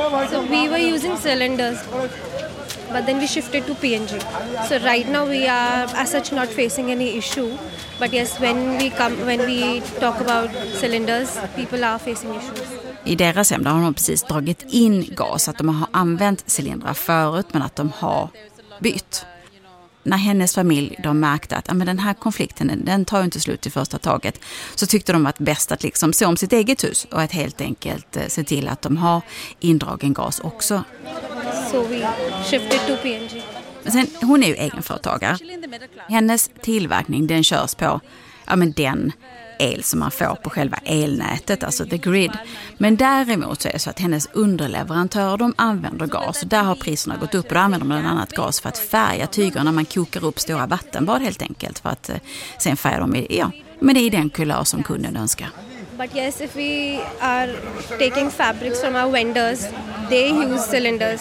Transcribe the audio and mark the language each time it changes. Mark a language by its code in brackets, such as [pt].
[en] So we were using cylinders, but then we shifted to PNG. So right now we are as such not facing any issue. But yes, when we talk about cylinders, people are facing issues. [sv] I deras hem har de precis dragit in gas, att de har använt cylindrar förut, men att de har bytt. När hennes familj de märkte att men den här konflikten den tar ju inte slut i första taget, så tyckte de att bäst att liksom se om sitt eget hus och att helt enkelt se till att de har indragen gas också. Så vi [en] shifted to PNG. [sv] Sen, hon är ju egenföretagare. Hennes tillverkning den körs på den el som man får på själva elnätet, alltså [en] the grid. [sv] Men däremot så är det så att hennes underleverantörer, de använder gas. Och där har priserna gått upp och använder bland annat gas för att färga tygerna när man kokar upp stora vattenbad helt enkelt. För att sen färga dem i, ja, men det är den kulör som kunden önskar. [en] But yes, if we are taking fabrics from our vendors, they use cylinders.